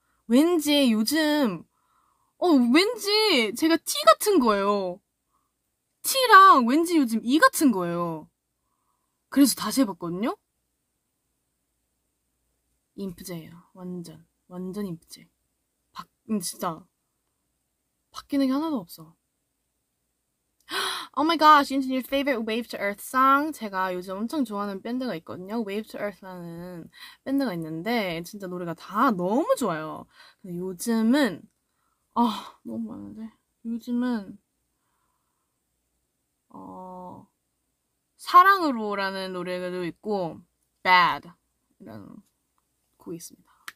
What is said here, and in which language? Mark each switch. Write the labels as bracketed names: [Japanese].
[Korean] 왠지 요즘 왠지 제가 T 같은 거예요. T랑 왠지 요즘 E 같은 거예요. 그래서 다시 해봤거든요. 인프제예요. 완전 완전 인프제. 진짜 바뀌는 게 하나도 없어. [English] Oh my gosh, you need your favorite Wave to Earth song. [Korean] 제가 요즘 엄청 좋아하는 밴드가 있거든요. Wave to Earth라는 밴드가 있는데 진짜 노래가 다 너무 좋아요. 근데 요즘은 너무 많은데 요즘은 사랑으로라는 노래도 있고 Bad라는 곡이 있습니다.